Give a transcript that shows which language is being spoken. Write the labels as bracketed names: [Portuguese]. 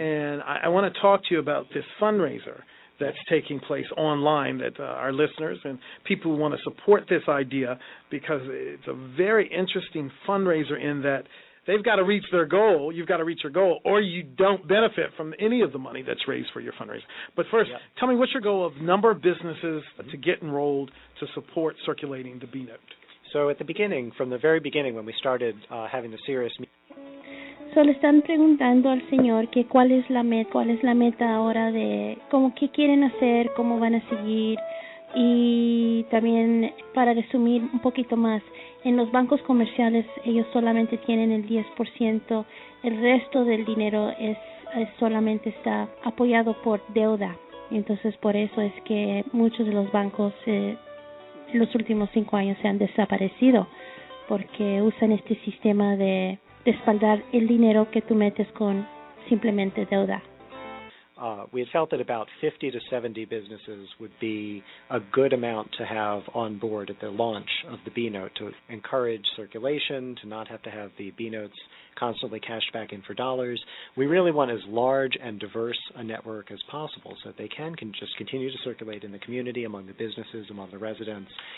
[English] And I want to talk to you about this fundraiser that's taking place online that our listeners and people who want to support this idea, because it's a very interesting fundraiser in that they've got to reach their goal, you've got to reach your goal, or you don't benefit from any of the money that's raised for your fundraiser. But first, yeah, tell me, what's your goal of number of businesses mm-hmm. to get enrolled to support circulating the B-Note? So at the beginning, from the very beginning when we started having the serious meeting, [Spanish] solo están preguntando al Señor que cuál es la meta ahora de cómo, qué quieren hacer, cómo van a seguir. Y también, para resumir un poquito más, en los bancos comerciales ellos solamente tienen el 10%, el resto del dinero es solamente está apoyado por deuda. Entonces por eso es que muchos de los bancos en los últimos 5 años se han desaparecido, porque usan este sistema de respaldar el dinero que tú metes con simplemente deuda. [English] We had felt that about 50 to 70 businesses would be a good amount to have on board at the launch of the B-Note to encourage circulation, to not have to have the B-Notes constantly cashed back in for dollars. We really want as large and diverse a network as possible so that they can just continue to circulate in the community, among the businesses, among the residents.